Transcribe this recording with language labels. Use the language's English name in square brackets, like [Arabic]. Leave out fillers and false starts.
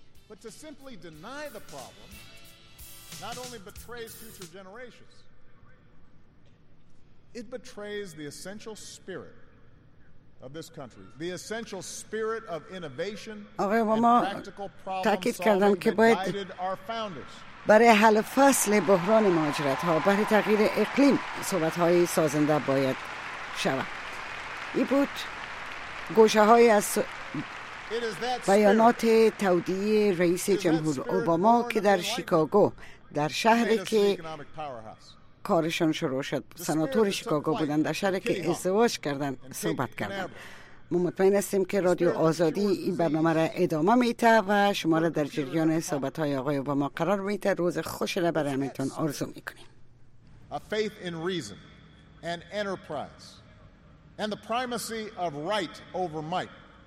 [English] But to simply deny the problem not only betrays future generations, it betrays the essential spirit of this country, the essential spirit of innovation and practical problem-solving that guided our founders. [Persian] برای حل فصل بحران مهاجرت ها، برای تغییر اقلیم، صحبت های سازنده باید شود. این بود گوشه های از بیانات تودیع رئیس جمهور اوباما که در شیکاگو، در شهری که کارشان شروع شد، سناتور شیکاگو بودند، در شهری که ازدواج کردند، صحبت کردند. ما مطمئن هستیم که رادیو آزادی این برنامه را ادامه میده و شما را در جریان صحبت های آقای اوباما قرار میده. روز خوش را برای همتون آرزو میکنیم. [English] A faith in reason and enterprise and the primacy of right over might.